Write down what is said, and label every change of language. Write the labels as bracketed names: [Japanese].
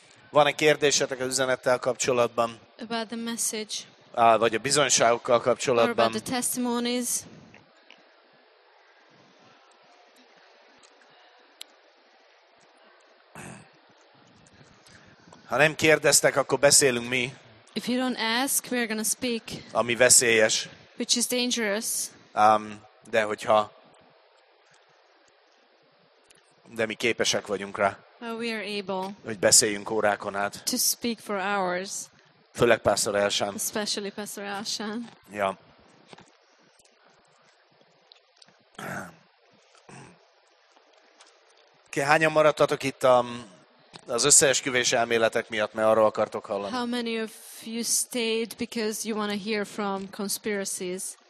[Hungarian] Van-e kérdésetek az üzenettel kapcsolatban? [English] About the message. [Hungarian] Vagy a bizonyságokkal kapcsolatban. [English] Or about the testimonies. [Hungarian] Ha nem kérdeztek, akkor beszélünk mi. [English] If you don't ask, we are gonna speak. [Hungarian] Ami veszélyes. [English] Which is dangerous. [Hungarian] De hogyha... De mi képesek vagyunk rá. [English] We are able. [Hungarian] Hogy beszéljünk órákon át. [English] To speak for hours. [Hungarian] Főleg Pastor Elsán. [English] Especially Pastor Elsán. Ja. [Hungarian] Ki hányan maradtatok itt az összeesküvés elméletek miatt, mert arról akartok hallani? [English] How many of you stayed because you want to hear from conspiracies?